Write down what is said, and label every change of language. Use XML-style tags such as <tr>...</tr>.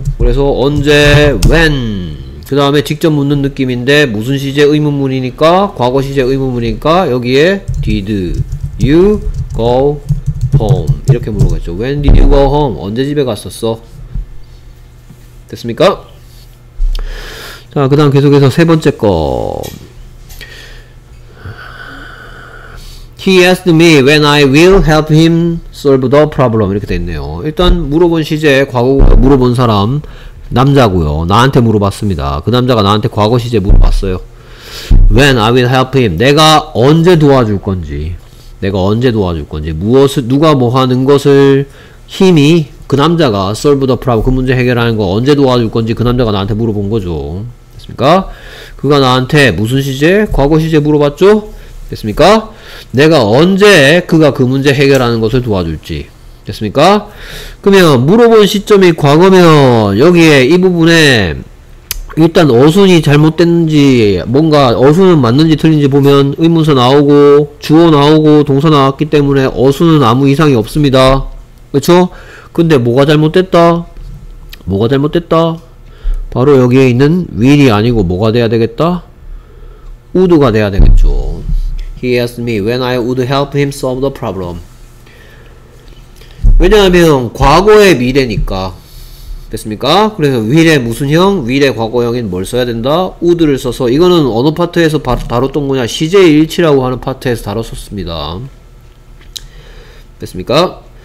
<ko>그래서 언제, when, 그 다음에 직접 묻는 느낌인데 무슨 시제 의문문이니까 과거 시제 의문문이니까 여기에</ko> <en>did you go home</en> <ko>이렇게 물어보겠죠.</ko> <en>when did you go home?</en> <ko>언제 집에 갔었어? 됐습니까? 자, 그 다음 계속해서 세 번째 거.</ko> <en>He asked me when I will help him solve the problem.</en> <ko>이렇게 돼있네요. 일단 물어본 시제, 과거 물어본 사람 남자고요. 나한테 물어봤습니다. 그 남자가 나한테 과거 시제 물어봤어요.</ko> <en>When I will help him.</en> <ko>내가 언제 도와줄 건지. 내가 언제 도와줄 건지. 무엇을, 누가 뭐 하는 것을 힘이 그 남자가</ko> <en>solve the problem,</en> <ko>그 문제 해결하는 거 언제 도와줄 건지 그 남자가 나한테 물어본 거죠. 됐습니까? 그가 나한테 무슨 시제? 과거 시제 물어봤죠? 됐습니까? 내가 언제 그가 그 문제 해결하는 것을 도와줄지. 됐습니까? 그러면 물어본 시점이 과거면 여기에 이 부분에 일단 어순이 잘못됐는지 뭔가 어순은 맞는지 틀린지 보면 의문사 나오고 주어 나오고 동사 나왔기 때문에 어순은 아무 이상이 없습니다. 그쵸? 근데 뭐가 잘못됐다? 뭐가 잘못됐다? 바로 여기에 있는 will이 아니고 뭐가 돼야 되겠다? would가 돼야 되겠죠.</ko> <en>He asked me when I would help him solve the problem.</en> <ko>왜냐하면 과거의 미래니까. 됐습니까? 그래서 will의 무슨 형? will의 과거형인 뭘 써야 된다? would를 써서 이거는 어느 파트에서 다뤘던 거냐? 시제일치라고 하는 파트에서 다뤘었습니다. 됐습니까?</ko>